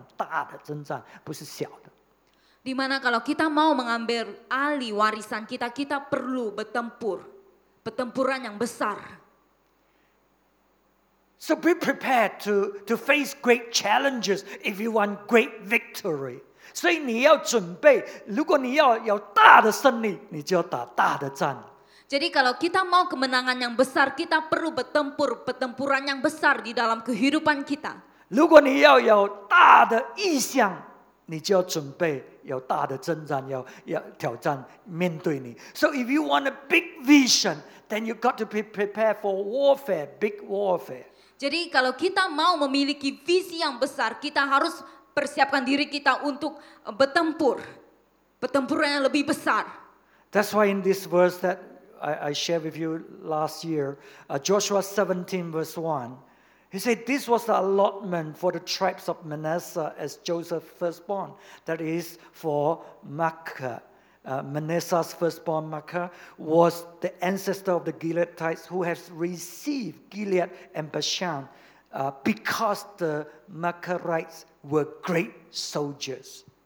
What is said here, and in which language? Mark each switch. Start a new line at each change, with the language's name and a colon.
Chinese: 所以我们要得着我们的基业呢，在这新的一年呢，我们需要打一些的伟大的征战，大的征战，不是小的。
Indonesian: Di mana kalau kita mau mengambil alih warisan kita, kita perlu bertempur, pertempuran yang besar.
English: So be prepared to face great challenges if you want great victory.
Chinese: 所以你要准备，如果你要有大的胜利，你就要打大的战。
Indonesian: Jadi kalau kita mau kemenangan yang besar, kita perlu bertempur, pertempuran yang besar di dalam kehidupan kita.
Chinese: 如果你要有大的意向， 你就要准备有大的征战，要挑战面对你。
English: So if you want a big vision, then you got to be prepared for warfare, big warfare.
Indonesian: Jadi kalau kita mau memiliki visi yang besar, kita harus persiapkan diri kita untuk bertempur, pertempuran yang lebih besar.
English: That's why in this verse that I shared with you last year, Joshua 17 verse 1, he said, this was the allotment for the tribes of Manasseh as Joseph's firstborn. That is for Makkah. Manasseh's firstborn Makkah was the ancestor of the Gileadites who has received Gilead and Bashan because the Makkahites were great soldiers.